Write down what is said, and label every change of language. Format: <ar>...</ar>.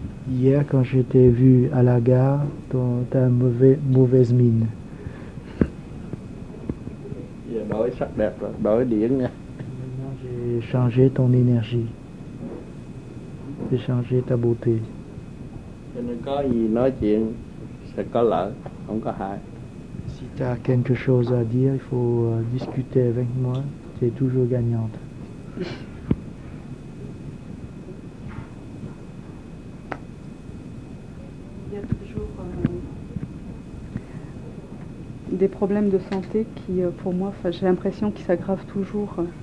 <fr>Hier, quand je t'ai vu à la gare, tu as une mauvaise mine.</fr> <vi>Đổi sắc đẹp rồi, đổi điển nha.</vi> <fr>J'ai changé ton énergie. J'ai changé ta beauté.</fr> <vi>Cho nên có gì nói chuyện sẽ có lợi, không có hại.</vi> <fr>Si tu as quelque chose à dire, il faut discuter avec moi. Tu es toujours gagnante. Il y a toujours des problèmes de santé qui, pour moi, j'ai l'impression qu'ils s'aggravent toujours.</fr>